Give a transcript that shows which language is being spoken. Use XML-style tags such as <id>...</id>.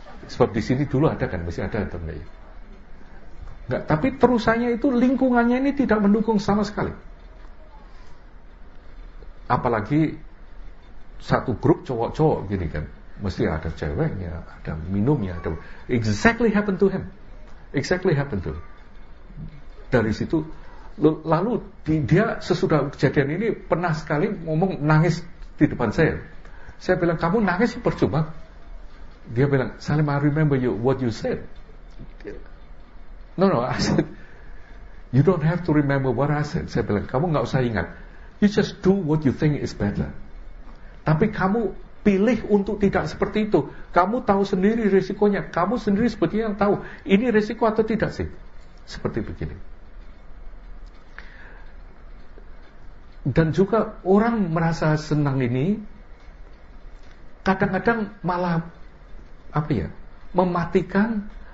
<id>Sebab di sini dulu ada kan, masih ada internet. Enggak, tapi terusannya itu lingkungannya ini tidak mendukung sama sekali. Apalagi satu grup cowok-cowok gini kan. Mesti ada ceweknya, ada minumnya, ada.</id> <en>Exactly happened to him. Exactly happened to him.</en> <id>Dari situ, lalu dia sesudah kejadian ini pernah sekali ngomong nangis di depan saya. Saya bilang, kamu nangis percuma. Dia bilang,</id> <en>Salim, I remember you, what you said. No, I said, you don't have to remember what I said.</en> <id>Saya bilang, kamu gak usah ingat.</id> <en>You just do what you think is better.</en> <id>Tapi kamu pilih untuk tidak seperti itu. Kamu tahu sendiri risikonya. Kamu sendiri sebetulnya yang tahu ini risiko atau tidak sih. Seperti begini. Dan juga orang merasa senang ini kadang-kadang malah apa ya, mematikan</id>